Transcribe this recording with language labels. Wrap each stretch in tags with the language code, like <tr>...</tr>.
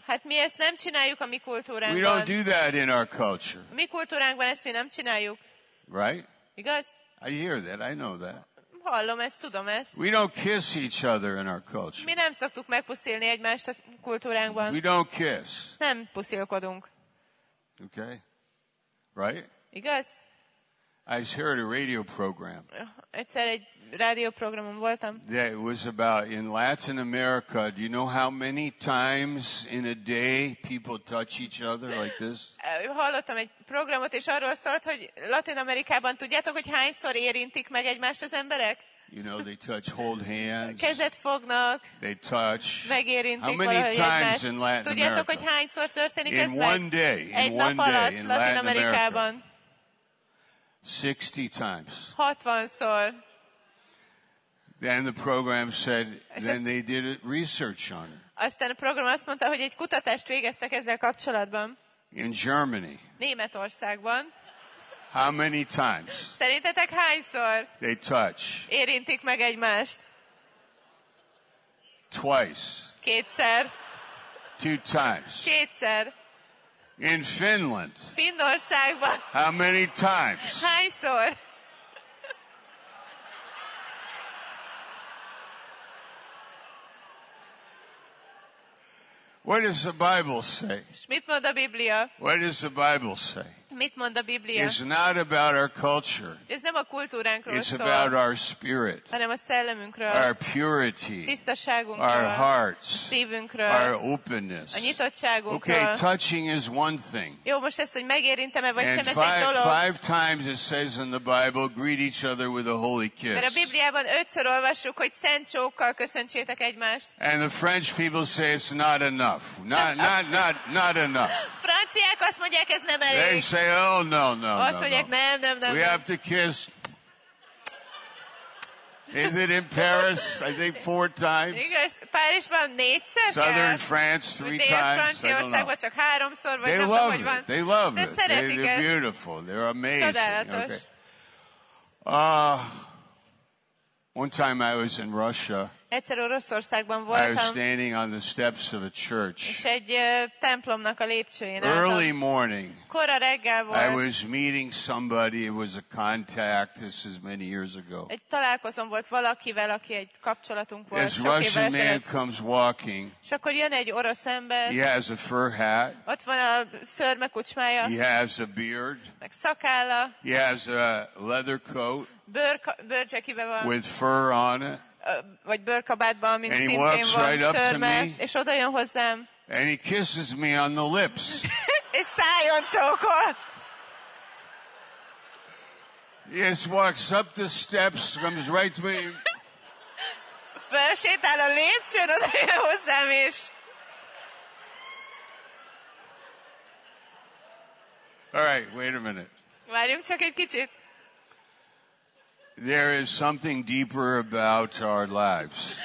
<hu>Hát mi ezt nem csináljuk a mi kultúránkban.</hu> <en>We don't do that in our culture.</en> <hu>Mi kultúránkban ezt mi nem csináljuk.</hu> <en>Right?</en> <hu>Igaz?</hu> <en>I hear that. I know that.</en> <hu>Hallom ezt, tudom ezt.</hu> <en>We don't kiss each other in our culture.</en> <hu>Mi nem szoktuk megpuszilni egymást a kultúránkban.</hu> <en>We don't kiss.</en> <hu>Nem puszilkodunk.</hu> <en>Okay. Right?</en> <hu>Igaz?</hu> <en>I just heard a radio program.</en> <hu>Egyszer egy rádióprogramon voltam.</hu> <en>Yeah, it was about in Latin America. Do you know how many times in a day people touch each other like this?</en> <hu>Hallottam egy programot, és arról szólt, hogy Latin Amerikában tudjátok, hogy hányszor érintik meg egymást az emberek?</hu> <en>You know, they touch, hold hands.</en> <hu>Kezet fognak.</hu> <en>They touch.</en> <hu>Megérintik.</hu> <en>How many times in Latin America?</en> <hu>Tudjátok, hogy hányszor történik ez?</hu> <en>In one day.</en> <hu>Egy nap alatt Latin Amerikában.</hu> <en>60 times.</en> <hu>60-szor.</hu> <en>Then the program said, then they did research on it.</en> <hu>Aztán a program azt mondta, hogy egy kutatást végeztek ezzel kapcsolatban.</hu> <en>In Germany.</en> <hu>Németországban.</hu> <en>How many times?</en> <hu>Szerintetek hányszor?</hu> <en>They touch.</en> <hu>Érintik meg egymást.</hu> <en>Twice.</en> <hu>Kétszer.</hu> <en>Two times.</en> <hu>Kétszer.</hu> <en>In Finland.</en> <hu>Finnországban.</hu> <en>How many times?</en> <hu>Hányszor?</hu> <en>What does the Bible say?</en> <hu>Mit mond a Biblia?</hu> <en>What does the Bible say?</en> <hu>Mit mond a Biblia?</hu> <en>It's not about our culture.</en> <hu>Ez nem a kultúránkról</hu> <en>It's</en> <hu>szól.</hu> <en>It's about our spirit.</en> <hu>Hanem a szellemünkről.</hu> <en>Our purity.</en> <hu>Tisztaságunkról.</hu> <en>Our hearts.</en> <hu>Szívünkről.</hu> <en>Our openness.</en> <hu>A nyitottságunkról.</hu> <en>Okay, touching is one thing.</en> <hu>Jó, most ezt, hogy megérintem-e vagy</hu> <en>And</en> <hu>sem, ez egy dolog.</hu> <en>Five times it says in the Bible, greet each other with a holy kiss.</en> <hu>Mert a Bibliában ötször olvassuk, hogy szent csókkal köszöntsétek egymást.</hu> <en>And the French people say it's not enough. Not enough.</en> <hu>Franciák azt mondják, ez nem elég.</hu> <en>Say, oh, no.</en> <hu>Nem.</hu> <en>We have to kiss. Is it in Paris? I think four times.</en> <hu>Párizsban négyszer.</hu> <en>Southern France three times.</en> <hu>Franciaországban csak háromszor.</hu> <en>They love it. They love it. They're beautiful. They're amazing.</en> <hu>Csodálatos. Okay.</hu> <en>One time I was in Russia.</en> <hu>Egyszer Oroszországban voltam.</hu> <en>I was standing on the steps of a church.</en> <hu>És egy templomnak a lépcsőjén.</hu> <en>Early morning.</en> <hu>Kora reggel volt.</hu> <en>I was meeting somebody. It was a contact. This is many years ago.</en> <hu>Egy találkozom volt valakivel, aki egy kapcsolatunk volt.</hu> <en>This Russian man comes walking.</en> <hu>És akkor jön egy orosz ember.</hu> <en>He has a fur hat.</en> <hu>Ott van a szörme kucsmája.</hu> <en>He has a beard.</en> <hu>Meg szakálla.</hu> <en>He has a leather coat.</en> <hu>Bőrcsekibe van.</hu> <en>With fur on it.</en> <hu>Vagy bőrkabátban, mint szintén van szörme, és oda jön hozzám.</hu> <en>And he kisses me on the lips.</en> <hu>És szájon csókol.</hu> <en>He just walks up the steps, comes right to me.</en> <hu>Felsétál a lépcsőn, oda jön hozzám is.</hu> <en>All right, wait a minute.</en> <hu>Várjunk csak egy kicsit.</hu> <en>There is something deeper about our lives.</en>